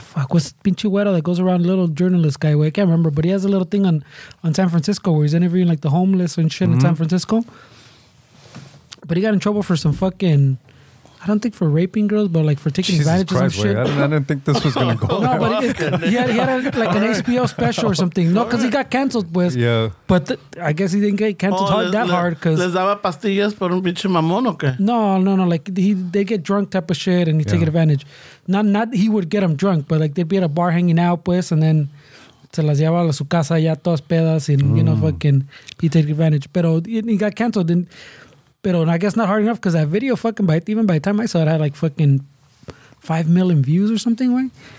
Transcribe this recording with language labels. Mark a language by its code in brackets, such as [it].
[en] What's pinche güero that goes around, little journalist guy? Wait, I can't remember, but he has a little thing on San Francisco where he's interviewing like the homeless and shit, mm-hmm. in San Francisco. But he got in trouble for some fucking, I don't think for raping girls, but like for taking advantage of some shit. I didn't think this was going to go. No, but he had like an HBO special or something. No, because he got canceled, pues. Yeah. But I guess he didn't get canceled hard. Cause [es] les daba pastillas por un pinche mamón o qué? [en] No. Like they get drunk type of shit and take advantage. Not he would get them drunk, but like they'd be at a bar hanging out, pues, and then [es] se las llevaba a su casa ya todas pedas [en] and, you know, fucking, he take advantage. [es] Pero [en] he got canceled and... But I guess not hard enough because that video fucking, by the time I saw it, had like fucking 5 million views or something, güey.